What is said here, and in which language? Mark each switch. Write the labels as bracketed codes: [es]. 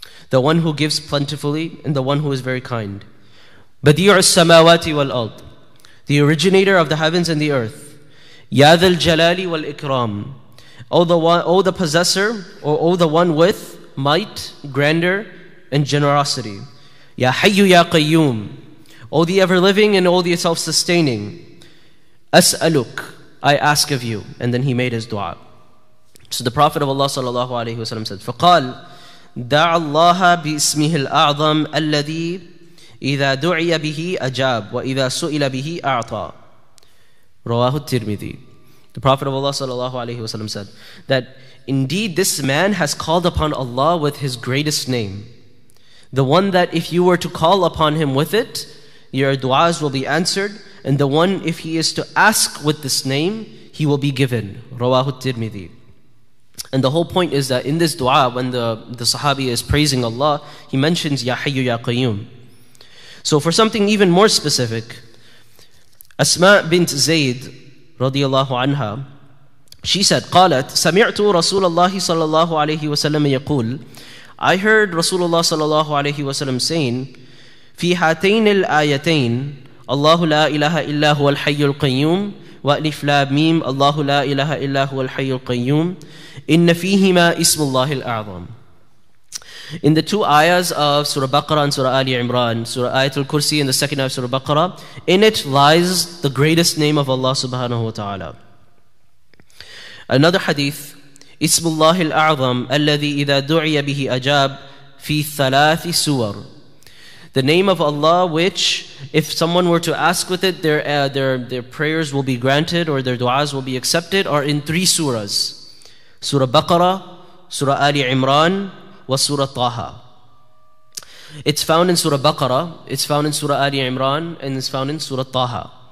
[en] the one who gives plentifully and the one who is very kind, [ar] بديع السماوات والأرض, [en] the originator of the heavens and the earth, [ar] يا ذا الجلال والإكرام, [en] O the possessor, or O the one with might, grandeur, and generosity. Ya Hayyu Ya Qayyum, O the ever-living and O the self-sustaining. As'aluk, I ask of you. And then he made his dua. So the Prophet of Allah sallallahu alayhi wa sallam said, [ar] فقال, دَعَ اللَّهَ بِاسْمِهِ الْأَعْظَمِ الَّذِي إِذَا دُعِيَ بِهِ أَجَابْ وَإِذَا سُئِلَ بِهِ أَعْطَى. رواهُ الترمذي. [en] The Prophet of Allah sallallahu alayhi wa sallam said that indeed this man has called upon Allah with his greatest name. The one that if you were to call upon him with it, your du'as will be answered. And the one if he is to ask with this name, he will be given. Rawahu Tirmidhi. And the whole point is that in this dua, when the Sahabi is praising Allah, he mentions Ya Hayyu Ya Qayyum. So for something even more specific, Asma bint Zayd radiallahu anha, she said, [ar] قالت سمعت رسول الله صلى الله عليه وسلم يقول, [en] I heard Rasulullah صلى الله عليه وسلم saying, [ar] في هاتين الآيتين الله لا إله إلا هو الحي القيوم وألف لام ميم الله لا إله إلا هو الحي القيوم إن فيهما اسم الله الأعظم. [en] In the two ayahs of Surah Baqarah and Surah Ali Imran, Surah Ayatul Kursi and the second ayah of Surah Baqarah, in it lies the greatest name of Allah subhanahu wa ta'ala. Another hadith, [ar] اسم الله الأعظم الذي إذا دعي به أجاب في ثلاث سور. [en] The name of Allah which, if someone were to ask with it, their prayers will be granted or their du'as will be accepted, are in three surahs. Surah Baqarah, Surah Ali Imran, and Surah Taha. It's found in Surah Baqarah, it's found in Surah Ali Imran, and it's found in Surah Taha.